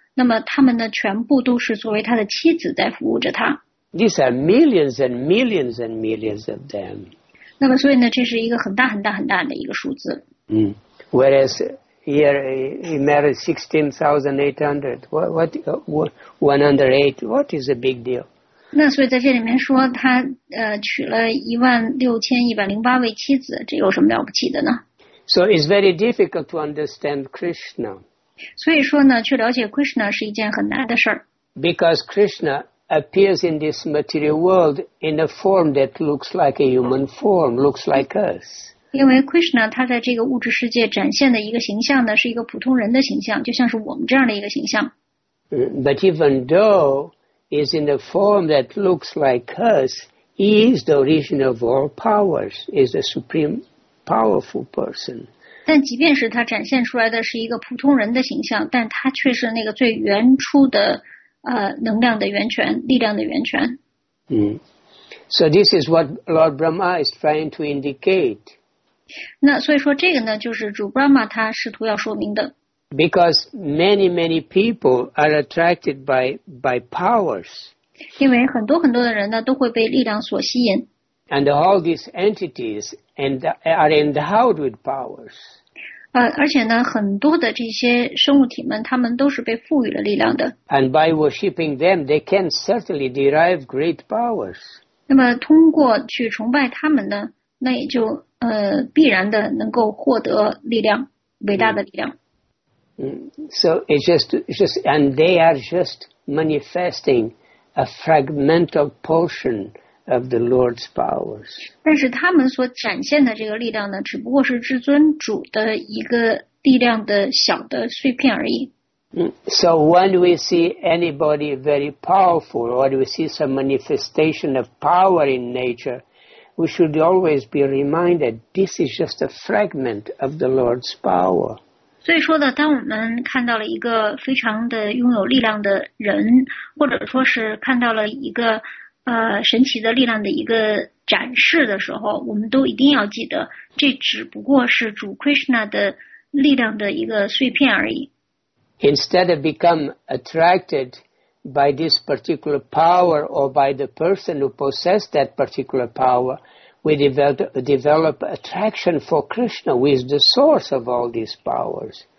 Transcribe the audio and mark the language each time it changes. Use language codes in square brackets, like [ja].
[zh] 那么他们呢，全部都是作为他的妻子在服务着他。 [en] These are millions and millions and millions of them. [zh] 那么所以呢，这是一个很大很大很大的一个数字。 [en] Whereas here he married 16,800. What 108? What is a big deal? [zh] 那所以在这里面说他娶了16,108位妻子，这有什么了不起的呢？ [en] So it's very difficult to understand Krishna. [zh] 所以说呢，去了解 Krishna 是一件很难的事儿。 [en] Because Krishna appears in this material world in a form that looks like a human form, looks like us. [zh] 因为 Krishna 他在这个物质世界展现的一个形象呢，是一个普通人的形象，就像是我们这样的一个形象。 [en] But even though is in a form that looks like us, he is the origin of all powers, is a supreme powerful person. [zh] 但即便是他展现出来的是一个普通人的形象，但他却是那个最原初的能量的源泉，力量的源泉。 [en] So this is what Lord Brahma is trying to indicate. [zh] 那所以说这个呢，就是主 Brahma 他试图要说明的。 [en] Because many, many people are attracted by powers. [zh] 因为很多很多的人呢，都会被力量所吸引。 [en] And all these entities are endowed with powers. [zh] 而且呢，很多的这些生物体们，他们都是被赋予了力量的。 [en] And by worshipping them, they can certainly derive great powers. [zh] 那么通过去崇拜他们呢，那也就必然的能够获得力量，伟大的力量。 [en] So it's just, and they are just manifesting a fragmental portion of the Lord's powers. [zh] 但是他们所展现的这个力量呢，只不过是至尊主的一个力量的小的碎片而已。 [en] So when we see anybody very powerful, or we see some manifestation of power in nature, we should always be reminded this is just a fragment of the Lord's power. [zh] 所以说呢，当我们看到了一个非常的拥有力量的人，或者说是看到了一个神奇的力量的一个展示的时候，我们都一定要记得，这只不过是主 Krishna 的力量的一个碎片而已。 [en] Instead of become attracted by this particular power or by the person who possessed that particular power,we develop attraction for Krishna, who is the source of all these powers.